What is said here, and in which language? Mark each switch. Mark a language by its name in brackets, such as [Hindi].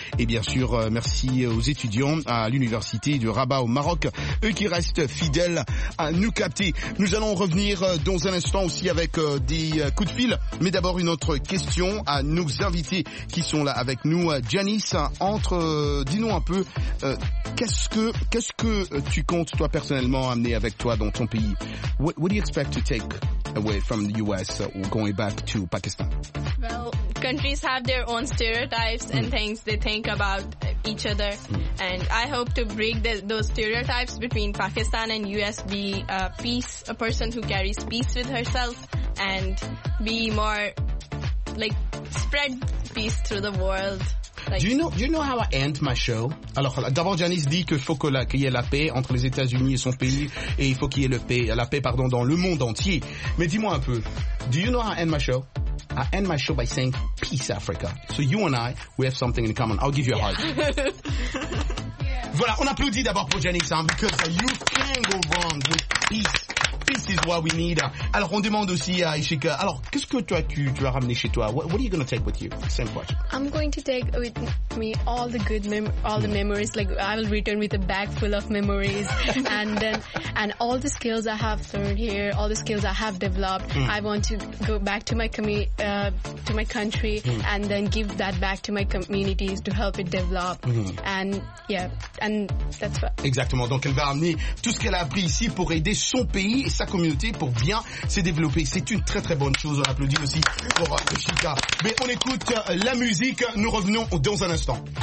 [French] Et bien sûr, merci aux étudiants à l'université de Rabat au Maroc, eux qui restent fidèles à nous capter. Nous allons revenir dans un instant aussi avec des coups de fil. Mais d'abord, une autre question à nos invités qui sont là avec nous. Janice, entre, dis-nous un peu, qu'est-ce que tu comptes, toi, personnellement, amener avec toi dans ton pays? [English] What do you expect to take away from the US or going back to Pakistan? Well, countries have their own stereotypes and things they think about each other. And I hope to break those stereotypes between Pakistan and US, be a peace, a person who carries peace with herself and be more, like, spread peace through the world. Like, do you know how I end my show? [French] Alors, d'abord, Janice dit qu'il faut qu'il y ait la paix entre les États-Unis et son pays, et il faut qu'il y ait la paix, dans le monde entier. Mais dis-moi un peu, [English] do you know how I end my show? I end my show by saying, peace, Africa. So you and I, we have something in common. I'll give you a hug. [French] Voilà, on applaudit d'abord pour Janice, hein, [English] because you can't go wrong with peace. This is what we need. [French] Alors, on demande aussi à Ishika. Alors, qu'est-ce que toi, tu vas ramener chez toi? [English] What are you going to take with you? Same question. I'm going to take with me all the good all the memories. Like, I will return with a bag full of memories. and all the skills I have learned here, all the skills I have developed, I want to go back to my country and then give that back to my communities to help it develop. And that's what. [French] Exactement. Donc, elle va ramener tout ce qu'elle a appris ici pour aider son pays, sa communauté pour bien se développer. C'est une très très bonne chose. On applaudit aussi pour Chica. Mais on écoute la musique. Nous revenons dans un instant.